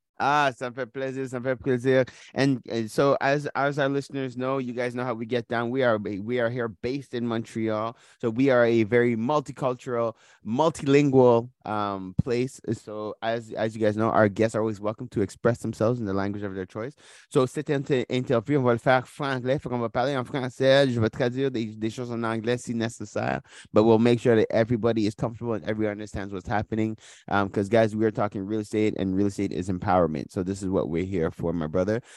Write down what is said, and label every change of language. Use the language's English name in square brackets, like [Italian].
[French] Ah, ça me fait plaisir, ça me fait plaisir. [English] And so as our listeners know, you guys know how we get down. We are here based in Montreal. So we are a very multicultural, multilingual place. So as you guys know, our guests are always welcome to express themselves in the language of their choice. [French] So cette interview, on va le faire franglais. Faut qu'on va parler en français. Je vais traduire des choses en anglais si nécessaire. [English] But we'll make sure that everybody is comfortable and everyone understands what's happening. Because guys, we are talking real estate and real estate is empowering. So this is what we're here for, my brother.